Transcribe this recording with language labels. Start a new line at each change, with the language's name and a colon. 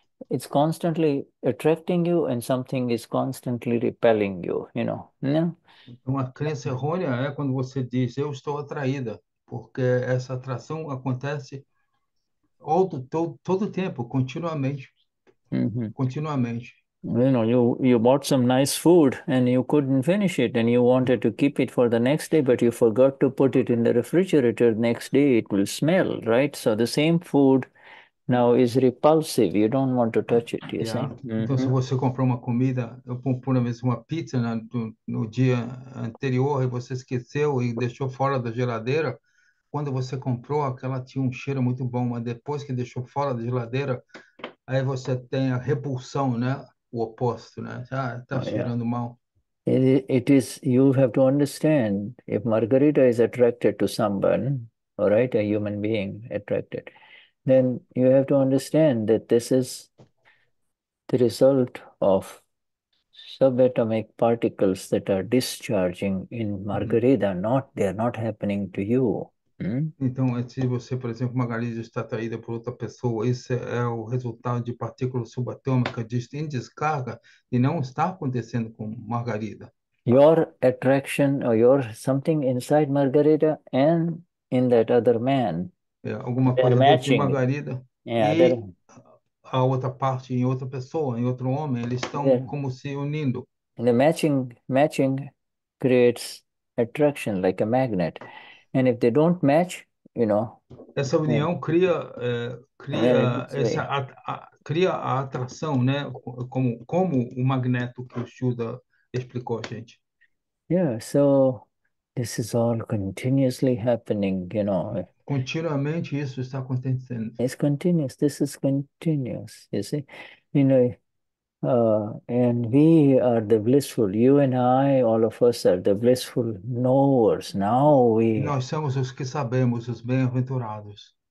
English: It's constantly attracting you and something is constantly repelling you, you know.
Portuguese: Uma crença errônea é quando você diz eu estou atraída, porque essa atração acontece todo tempo, continuamente. Continuamente.
English: You know, you bought some nice food and you couldn't finish it and you wanted to keep it for the next day, but you forgot to put it in the refrigerator. Next day it will smell, right? So the same food now is repulsive. You don't want to touch it, you see?
Portuguese: Então, se você comprou uma comida, eu comprei mesmo uma pizza no dia anterior e você esqueceu e deixou fora da geladeira, quando você comprou, aquela tinha um cheiro muito bom, mas depois que deixou fora da geladeira, aí você tem a repulsão, né? O oposto, né? Ah, tá cheirando mal.
English: It is, you have to understand, if Margarita is attracted to someone, all right, a human being attracted, then you have to understand that this is the result of subatomic particles that are discharging in Margarita, they are not happening to you.
Portuguese: Então, se você, por exemplo, Margarida está atraída por outra pessoa, isso é o resultado de partículas subatômicas em descarga e não está acontecendo com Margarida.
English: Your attraction or your something inside Margarida and in that other man.
Portuguese: Alguma coisa dentro de Margarida e a outra parte em outra pessoa, em outro homem, eles estão como se unindo.
English: And the matching creates attraction like a magnet. And if they don't match, you know.
Portuguese: Essa união cria a atração, né? Como o magneto que o Shuddha explicou a gente.
English: Yeah, so this is all continuously happening, you know.
Portuguese: Continuamente isso está acontecendo.
English: It's continuous. This is continuous, you see. You know, and we are the blissful, you and I, all of us are the blissful knowers. Now we.
Portuguese: Nós somos os que sabemos, os bem-aventurados.